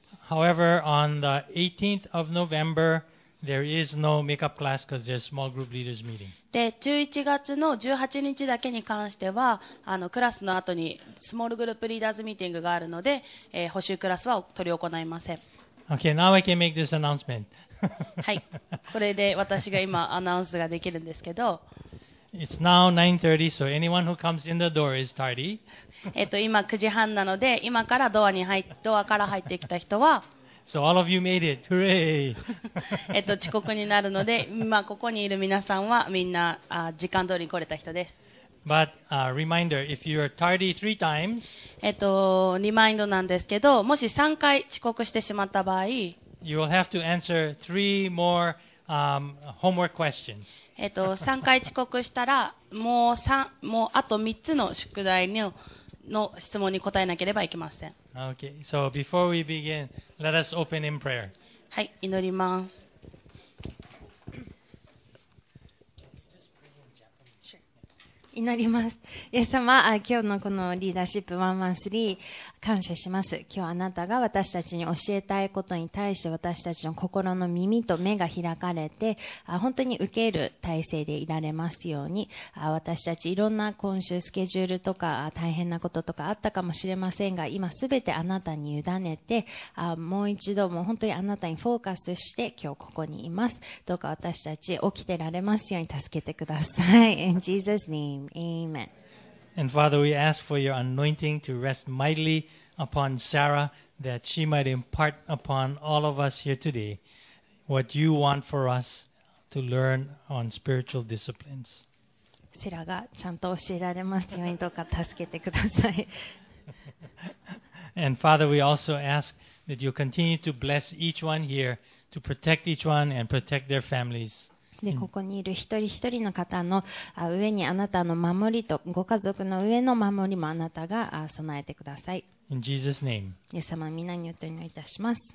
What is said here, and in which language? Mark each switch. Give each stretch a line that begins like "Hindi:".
English: However, on the 18th of November,There is no makeup class because there's small group leaders meeting.
Japanese: で、11月の18日だけに関しては、あのクラスの後にスモールグループリーダーズミーティングがあるので、補習クラスは取り行いません。
English: Okay, now I can make this announcement.
Japanese: はい、これで私が今アナウンスができるんですけど。
English: It's now 9:30, so anyone who comes in the door is tardy.
Japanese: 今9時半なので、今からドアから入ってきた人は、
English: So all of you made it. Hooray!
Japanese: 遅刻になるので、今ここにいる皆さんはみんな時間通りに来れた人です。
English: But a reminder, if you are tardy three times,
Japanese: リマインドなんですけど、もし3回遅刻してしまった場合、
English: You will have to answer three more homework questions.
Japanese: 3回遅刻したら、もうあと3つの宿題にの質問に答えなければいけません。
English: Okay, so before we begin, let us open in prayer.
Japanese: はい、祈ります。祈ります。イエス様、今日のこのリーダーシップ113感謝します。今日あなたが私たちに教えたいことに対して私たちの心の耳と目が開かれて本当に受ける体制でいられますように私たちいろんな今週スケジュールとか大変なこととかあったかもしれませんが今すべてあなたに委ねてもう一度もう本当にあなたにフォーカスして今日ここにいます。どうか私たち起きてられますように助けてください。
English: In Jesus' name. Amen. And Father, we ask for your anointing to rest mightily upon Sarah that she might impart upon all of us here today what you want for us to learn on spiritual disciplines.
Japanese: セラがちゃんと教えられますようにどうか助けてください。
English: And Father, we also ask that you continue to bless each one here to protect each one and protect their families.
Japanese: でここにいる一人一人の方の上にあなたの守りとご家族の上の守りもあなたが備えてください。
English: In Jesus' name.
Japanese: イエス様、皆によってお祈りいたします。